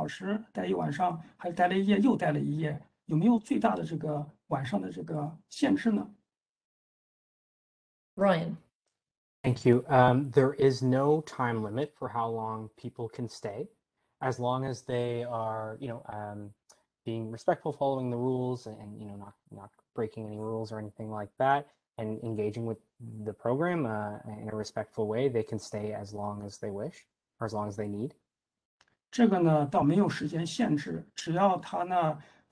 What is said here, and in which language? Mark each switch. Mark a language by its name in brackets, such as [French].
[Chinese] 那么是不是有人呢就可以随机的跑到这个避难所来，然后的话在那待上这个24小时，待一晚上，还待了一夜，又待了一夜。有没有最大的这个晚上的这个限制呢? [English] Ryan. Thank you. There is no time limit for how long people can stay. As long as they are, you know, being respectful, following the rules and, you know, not breaking any rules or anything like that, and engaging with the program in a respectful way, they can stay as long as they wish or as long as they need. [Chinese] 这个呢倒没有时间限制，只要他呢。